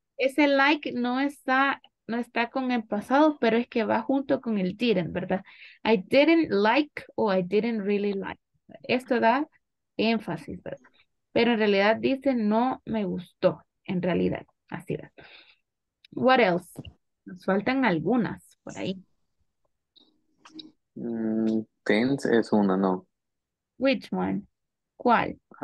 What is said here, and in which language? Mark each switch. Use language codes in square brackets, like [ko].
[es] Ese like no está con el pasado, pero es que va junto con el didn't, ¿verdad? [en] I didn't like o I didn't really like. [es] Esto da énfasis, ¿verdad? Pero en realidad dice no me gustó, en realidad. Así va. [en] What else? [es] Nos faltan algunas por ahí. Tense es una, ¿no? [en] Which one? [es] ¿Cuál?